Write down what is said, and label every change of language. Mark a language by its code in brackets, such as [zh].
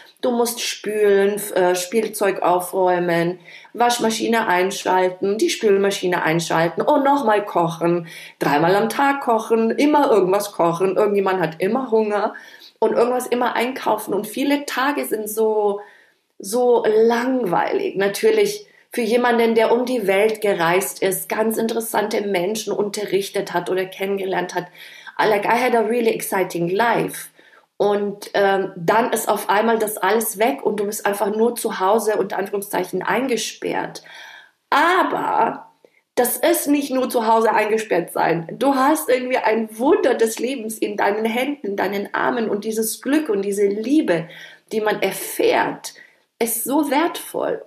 [de] Du musst spülen, Spielzeug aufräumen, Waschmaschine einschalten, die Spülmaschine einschalten und nochmal kochen, 3-mal am Tag kochen, immer irgendwas kochen, irgendjemand hat immer Hunger und irgendwas immer einkaufen. Und viele Tage sind so, so langweilig. Natürlich für jemanden, der um die Welt gereist ist, ganz interessante Menschen unterrichtet hat oder kennengelernt hat. [en] Like, I had a really exciting life. [de] Und dann ist auf einmal das alles weg und du bist einfach nur zu Hause unter Anführungszeichen eingesperrt. Aber das ist nicht nur zu Hause eingesperrt sein. Du hast irgendwie ein Wunder des Lebens in deinen Händen, in deinen Armen und dieses Glück und diese Liebe, die man erfährt, ist so wertvoll.